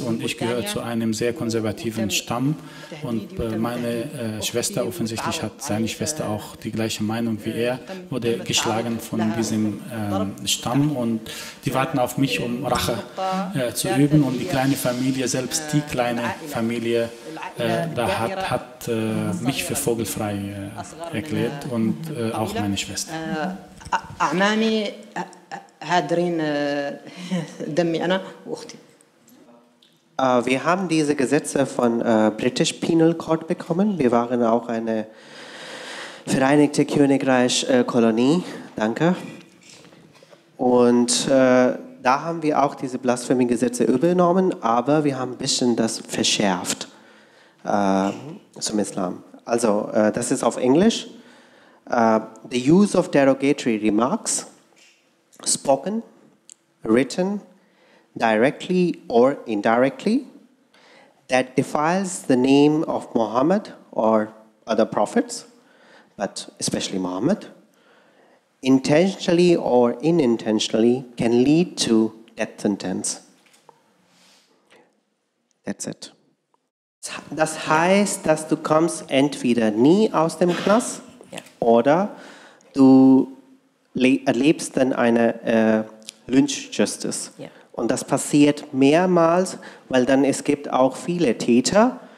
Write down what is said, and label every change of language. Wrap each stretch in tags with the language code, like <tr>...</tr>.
<de>Und ich gehöre zu einem sehr konservativen Stamm. Und meine Schwester, offensichtlich hat seine Schwester auch die gleiche Meinung wie er, wurde geschlagen von diesem Stamm. Und die warten auf mich, um Rache zu üben. Und die kleine Familie, selbst die kleine Familie, hat mich für vogelfrei erklärt und auch meine Schwester.</de> <ar>أعمامي هادرين دمي أنا وأختي.</ar> <de>Wir haben diese Gesetze von British Penal Court bekommen. Wir waren auch eine Vereinigte Königreich Kolonie. Danke. Und da haben wir auch diese Blasphemie-Gesetze übernommen, aber wir haben ein bisschen das verschärft zum Islam. Also das ist auf Englisch.</de> <en>The use of derogatory remarks, spoken, written, directly or indirectly, that defiles the name of Muhammad or other prophets, but especially Muhammad, intentionally or unintentionally, can lead to death sentence. That's it.</en> <de>Das heißt, dass du kommst entweder nie aus dem Knast, oder du erlebst dann eine Lynch-Justice. Und das passiert mehrmals, weil dann es gibt auch viele Täter.</de>